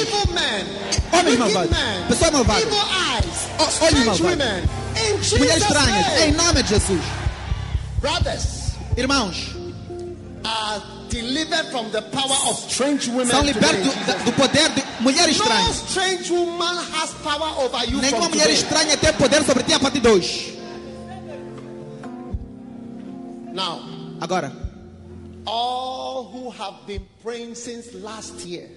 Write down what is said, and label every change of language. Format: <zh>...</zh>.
<en>Evil men.</en> <pt>Homens malvados. Pessoas malvadas.</pt> <en>Evil eyes.</en> <pt>Olhos malvados. Mulheres estranhas, em nome de Jesus.</pt> <en>Brothers,</en> <pt>irmãos,</pt> <en>are delivered from the power of strange women.</en> <pt>São libertos do poder de mulheres estranhas.</pt> <en>No strange woman has power over you.</en> <pt>Nenhuma mulher estranha tem poder sobre ti a partir de hoje.</pt> <en>Now,</en> <pt>agora,</pt> <en>all who have been praying since last year,</en>